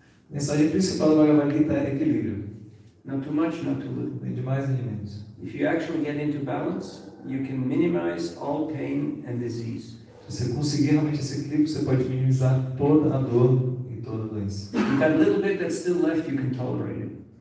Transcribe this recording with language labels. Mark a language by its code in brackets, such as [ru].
[pt] A mensagem principal da Bhagavad Gita é equilíbrio. [en] Not too much, not too little. [pt] Nem demais, nem menos. [en] If you actually get into balance, you can minimize all pain and disease. [pt] Se você conseguir realmente esse equilíbrio, você pode minimizar toda a dor e toda a doença. [en] That little bit that's still left, you can tolerate it.